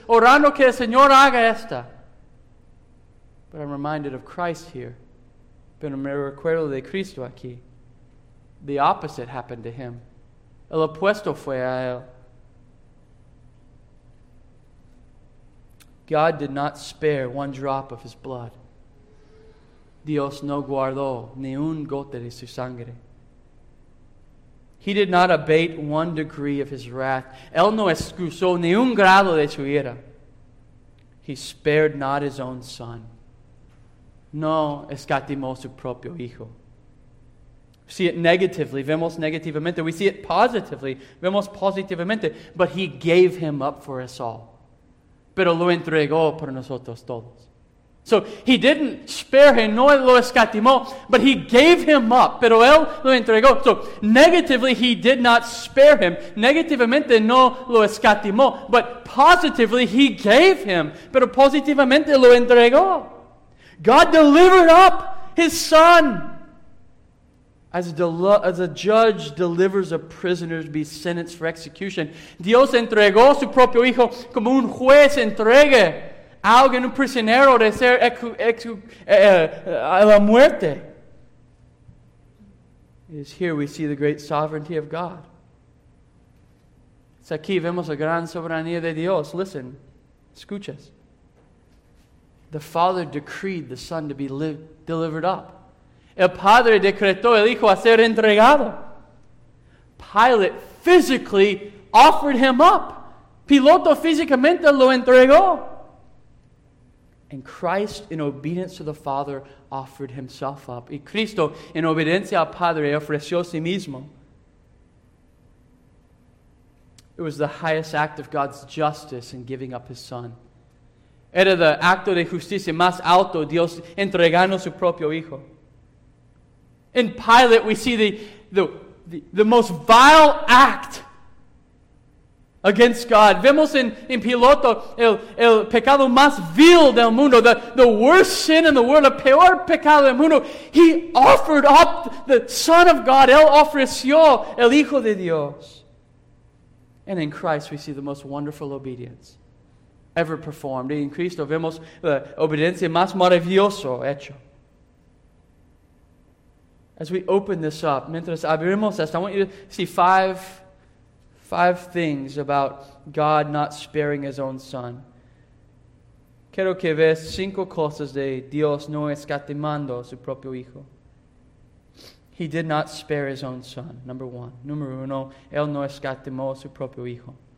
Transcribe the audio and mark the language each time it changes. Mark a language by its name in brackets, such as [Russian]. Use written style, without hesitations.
[Spanish] Orando que el Señor haga esta. [English] But I'm reminded of Christ here. [Spanish] Pero me recuerdo de Cristo aquí. [English] The opposite happened to him. [Spanish] El opuesto fue a él. [English] God did not spare one drop of his blood. [Spanish] Dios no guardó ni un gote de su sangre. [English] He did not abate one degree of his wrath. [Spanish] Él no excusó ni un grado de su ira. [English] He spared not his own son. [Spanish] No escatimó su propio hijo. [English] See it negatively, [Spanish] vemos negativamente. [English] We see it positively, [Spanish] vemos positivamente. [English] But he gave him up for us all. [Spanish] Pero lo entregó por nosotros todos. [English] So he didn't spare him, [Spanish] no lo escatimó, [English] but he gave him up. [Spanish] Pero él lo entregó. [English] So negatively, he did not spare him. [Spanish] Negativamente, no lo escatimó, [English] but positively, he gave him. [Spanish] Pero positivamente, lo entregó. [English] God delivered up his son. As a judge delivers a prisoner to be sentenced for execution, [Spanish] Dios entregó su propio hijo como un juez entregue a alguien, un prisionero de ser a la muerte. [English] It is here we see the great sovereignty of God. [Spanish] Es aquí vemos la gran soberanía de Dios. [English] Listen, [Spanish] escuchas. [English] The Father decreed the Son to be delivered up. [Spanish] El Padre decretó el Hijo a ser entregado. [English] Pilate physically offered him up. [Spanish] Piloto físicamente lo entregó. [English] And Christ, in obedience to the Father, offered himself up. [Spanish] Y Cristo, en obediencia al Padre, ofreció sí mismo. [English] It was the highest act of God's justice in giving up his son. [Spanish] Era el acto de justicia más alto, Dios entregando su propio hijo. [English] In Pilate, we see the most vile act against God. [Spanish] Vemos en Piloto el pecado más vil del mundo, [English] the worst sin in the world, [Spanish] el peor pecado del mundo. [English] He offered up the Son of God. [Spanish] Él ofreció el Hijo de Dios. [English] And in Christ, we see the most wonderful obedience ever performed. [Spanish] En Cristo vemos la obediencia más maravillosa hecha. [English] As we open this up, [Spanish] mientras abrimos esto, [English] I want you to see five things about God not sparing his own son. [Spanish] Quiero que veas cinco cosas de Dios no escatimando su propio hijo. [English] He did not spare his own son, number one. [Spanish] Número uno, él no escatimó su propio hijo.